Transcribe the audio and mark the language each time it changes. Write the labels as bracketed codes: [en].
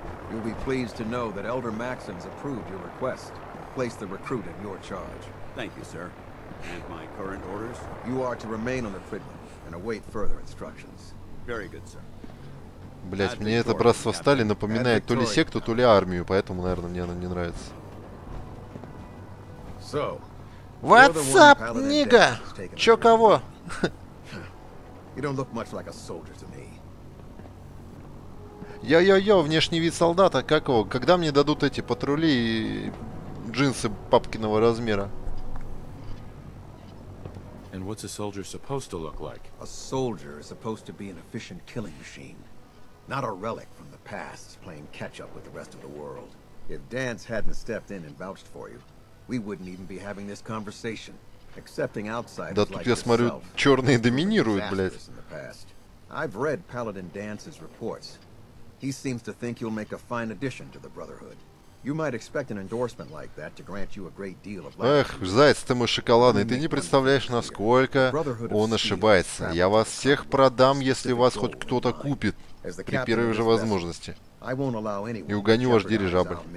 [en] You'll be pleased to know that Elder Maxim's approved your request. Place the recruit in your charge. Thank you, sir. And my current orders? You are to remain on the Fridman and await further instructions. Very good, sir. [ru] Блять, мне это братство стали напоминает то ли секту, то ли армию, поэтому, наверное, мне оно не нравится. [en] So, what's up, [ru] нига? Чё кого? [en] You don't look much like a soldier to me. [ru] Йо-йо-йо, внешний вид солдата, как его? Когда мне дадут эти патрули и джинсы папкиного размера? [en] And what's a soldier supposed to look like? A soldier is supposed to be an efficient killing machine, not a relic from the past playing catch up with the rest of the world. If Dance hadn't stepped in and vouched for you, we wouldn't even be having this conversation. Accepting outsiders like yourself. [ru] Да тут я смотрю, черные доминируют, блядь. [en] I've read Paladin Dance's reports. He seems to think you'll make a fine addition to the Brotherhood. You might expect an endorsement like that to grant you a great deal of latitude. [ru] Эх, заяц ты мой шоколадный, ты не представляешь, насколько он ошибается. Я вас всех продам, если вас хоть кто-то купит при первой же возможности. И угоню ваш дирижабль.